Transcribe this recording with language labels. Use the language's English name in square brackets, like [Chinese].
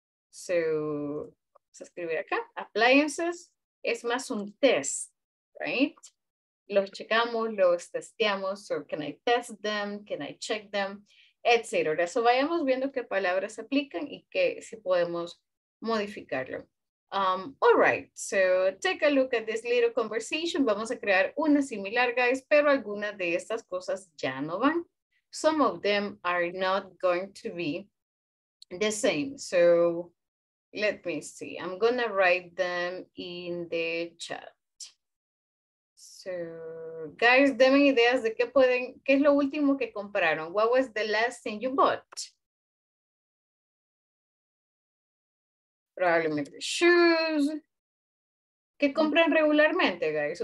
[Spanish] So, vamos a escribir acá. Appliances es más un test, right? Los checamos, los testeamos. [English] So, can I test them? Can I check them? Etc. [Spanish] Ahora, so vayamos viendo qué palabras aplican y qué si podemos modificarlo. [English] All right, so take a look at this little conversation. [Spanish] Vamos a crear una similar, guys, pero algunas de estas cosas ya no van. [English] Some of them are not going to be the same. So let me see. I'm going to write them in the chat. [Spanish] So, guys, denme ideas de qué pueden, qué es lo último que compraron. [English] What was the last thing you bought? [Spanish] Probablemente shoes. ¿Qué compran regularmente, guys?